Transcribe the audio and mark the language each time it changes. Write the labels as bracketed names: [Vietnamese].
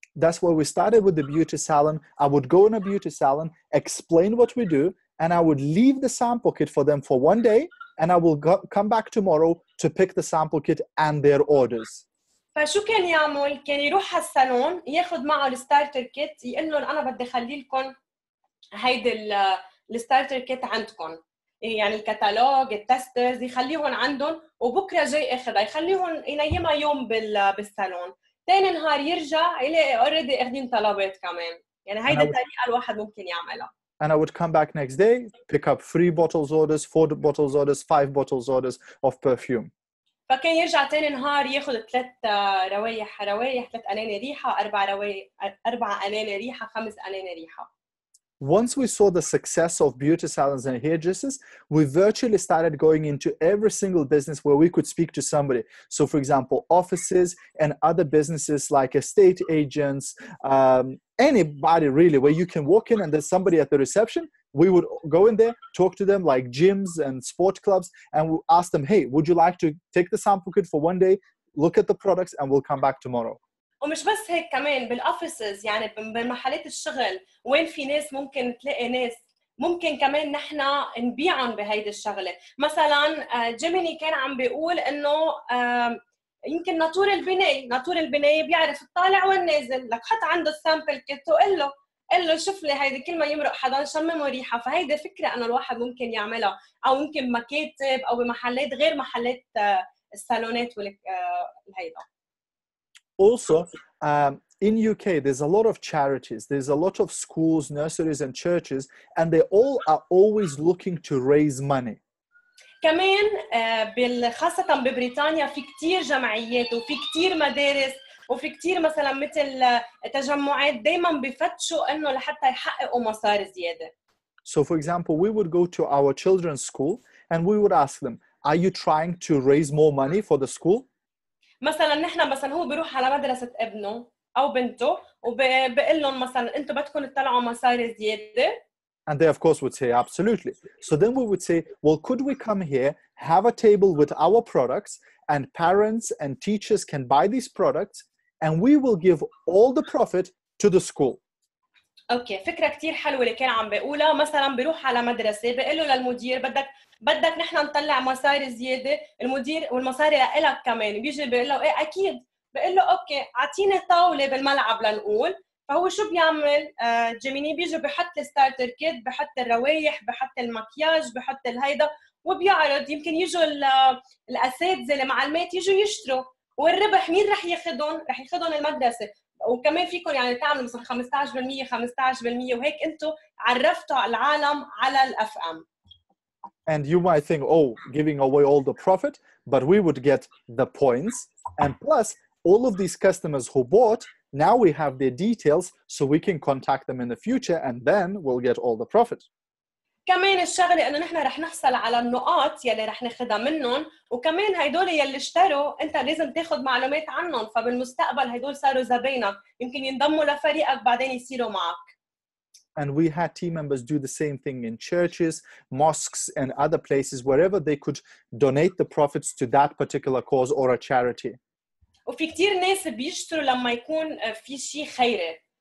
[English] That's why we started with the beauty salon. I would go in a beauty salon, explain what we do, and I would leave the sample kit for them for one day, and I will come back tomorrow to pick the sample kit and their orders. [Arabic] فشو كان يعمل؟ كان يروح على الصالون ياخذ معه الستارتر كيت، يقول لهم أنا بدي أخلي لكم هيدي الستارتر كيت عندكم. يعني الكتالوج، التسترز، يخليهم عندهم، وبكره جاي اخذها، يخليهم ينيمها يوم بالصالون، ثاني نهار يرجع يلاقي اوريدي اخذين طلبات كمان. يعني هيدي الطريقه الواحد ممكن يعملها. [English] And I would come back next day, pick up 3 bottles orders, 4 bottles orders, 5 bottles orders of perfume. [Arabic] ف فكان يرجع تاني نهار ياخذ ثلاث روايح، روايح ثلاث اناني ريحه، اربع روايح اربع اناني ريحه، خمس اناني ريحه. [English] Once we saw the success of beauty salons and hairdressers, we virtually started going into every single business where we could speak to somebody. So for example, offices and other businesses like estate agents, anybody really, where you can walk in and there's somebody at the reception, we would go in there, talk to them, like gyms and sport clubs, and we'll ask them, hey, would you like to take the sample kit for one day, look at the products, and we'll come back tomorrow. [Arabic] ومش بس هيك كمان بالأوفيسز يعني بمحلات الشغل وين في ناس ممكن تلاقي ناس ممكن كمان نحنا نبيعهم بهيدي الشغلة. مثلاً جيميني كان عم بيقول إنه يمكن ناطور البناية، ناطور البناية بيعرف الطالع والنازل، لك حط عنده السامبل كيت وقل له قل له شوف لي هيدي كل ما يمرق حدا شممه ريحة. فهيدي فكرة أنه الواحد ممكن يعملها، أو ممكن مكاتب أو بمحلات غير محلات السالونات والهيدا. [English] Also, in UK, there's a lot of charities, there's a lot of schools, nurseries, and churches, and they all are always looking to raise money. [Arabic] كمان بالخاصة ببريطانيا في كتير جمعيات وفي كتير مدارس وفي كتير مثلا مثل تجمعات دايما بفتشوا انه لحتى يحققوا مصاري زيادة. [English] So for example, we would go to our children's school and we would ask them, are you trying to raise more money for the school? [Arabic] مثلاً نحنا مثلاً هو بيروح على مدرسة ابنه أو بنته وبقول لهم مثلاً أنتوا بدكم تطلعوا مصاري زيادة. [English] And they of course would say absolutely. So then we would say, well, could we come here, have a table with our products, and parents and teachers can buy these products, and we will give all the profit to the school. [Arabic] Okay, فكرة كتير حلوة اللي كان عم بيقولها. مثلاً بيروح على مدرسة بقول له للمدير بدك نحن نطلع مصاري زيادة، المدير والمصاري لإلك كمان، بيجي بيقول له إيه أكيد، بيقول له أوكي أعطيني طاولة بالملعب لنقول. فهو شو بيعمل جيميني؟ بيجي بحط الستارتر كيت، بحط الروايح، بحط المكياج، بحط الهيدا، وبيعرض. يمكن يجوا الأساتذة المعلمات يجوا يشتروا، والربح مين رح ياخذهم؟ رح ياخذهم المدرسة. وكمان فيكم يعني تعملوا مثلا 15% 15%، وهيك أنتوا عرفتوا العالم على الأف أم. [English] And you might think, oh, giving away all the profit, but we would get the points. And plus, all of these customers who bought, now we have their details, so we can contact them in the future, and then we'll get all the profit. [Arabic] كمان الشغلة إنه نحنا رح نحصل على النقاط يلي رح نخدها منهم، وكمان هيدول يلي اشتروا انت لازم تاخد معلومات عنهم، فبالمستقبل هيدول صاروا زبائنك، يمكن ينضموا لفريقك بعدين يصيروا معك. [English] And we had team members do the same thing in churches, mosques, and other places, wherever they could donate the profits to that particular cause or a charity. [Arabic] وفي كتير ناس بيشتروا لما يكون في شيء خيري.